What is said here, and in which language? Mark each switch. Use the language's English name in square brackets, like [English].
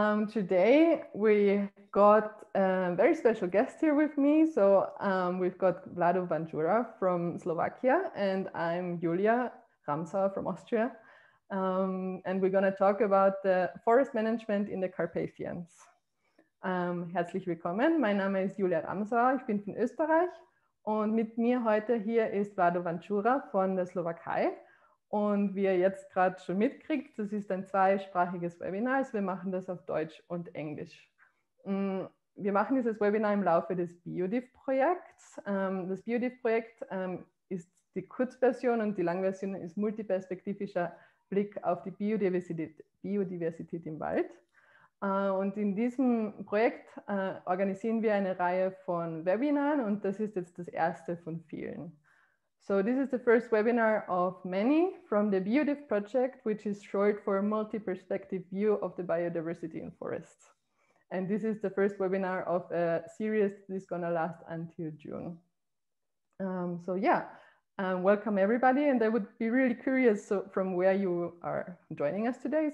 [English] Today we got a very special guest here with me. So we've got Vlado Vancura from Slovakia, and I'm Julia Ramsauer from Austria. And we're going to talk about the forest management in the Carpathians. [German] Herzlich willkommen. Mein Name ist Julia Ramsauer. Ich bin von Österreich. Und mit mir heute hier ist Vlado Vancura von der Slowakei. Und wie ihr jetzt gerade schon mitkriegt, das ist ein zweisprachiges Webinar. Also wir machen das auf Deutsch und Englisch. Wir machen dieses Webinar im Laufe des Biodiv-Projekts. Das Biodiv-Projekt ist die Kurzversion und die Langversion ist multiperspektivischer Blick auf die Biodiversität im Wald. Und in diesem Projekt organisieren wir eine Reihe von Webinaren und das ist jetzt das erste von vielen. [English] So this is the first webinar of many from the Biodiv project, which is short for Multiperspective View of the Biodiversity in Forests. And this is the first webinar of a series that is going to last until June. Welcome everybody. And I would be really curious from where you are joining us today.